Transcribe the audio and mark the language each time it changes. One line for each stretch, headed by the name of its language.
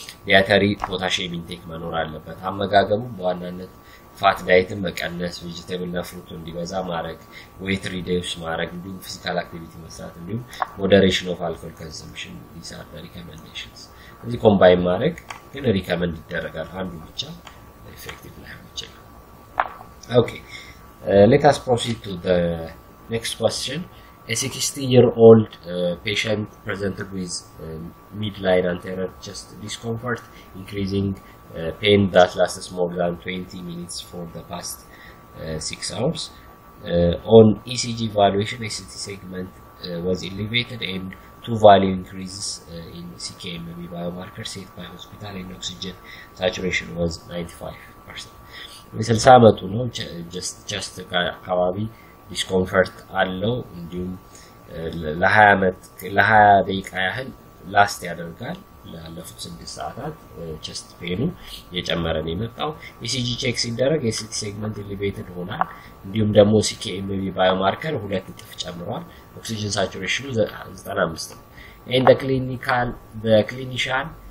Amharic: ዲያተሪ ፖታሽየም ኢንቴክ መኖር አለበት። አመጋገቡ በዋናነት ፋት ዳይትን መቀነስ፣ ቬጅቴብል እና ፍሩቱ እንዲበዛ ማድረግ፣ ዌይት ሪዲውስ ማድረግ፣ እንዲሁም ፊዚካል አክቲቪቲ መስራት፣ እንዲሁም
English: ሞዴሬሽን ኦፍ አልኮል ኮንሰምፕሽን ዲስ አር ሪኮመንዴሽንስ።
Amharic: እዚህ ኮምባይን ማድረግ ግን ሪኮመንድ ይደረጋል። አንዱ ብቻ ኤፌክቲቭ ላይሆን ይችላል።
English: ኦኬ ሌት አስ ፕሮሲድ ቱ ኔክስት ኳስቸን A 60-year-old patient presented with midline anterior chest discomfort, increasing pain that lasts more than 20 minutes for the past 6 hours. On ECG evaluation, ST segment was elevated and two value increases in CKMB biomarker set by hospital and oxygen saturation was 95%.
Amharic: ስልሳ አመቱ ነው ጀስት አካባቢ ዲስኮንፈርት አለው እንዲሁም ለሀያ አመት ለሀያ ደቂቃ ያህል ላስት ያደርጋል ላለፉት 6 ሰዓታት ቸስት ፔኑ እየጨመረ ነው የመጣው ኢሲጂ ቼክ ሲደረግ የሲቲ ሴግመንት ኤሊቬትድ ሆኗል እንዲሁም ደግሞ ሲኬኤምቪ ባዮማርከር 2 እጥፍ ጨምሯል ኦክሲጅን ሳቹሬሽኑ 95 ነው ይህን ክሊኒካል በክሊኒሻን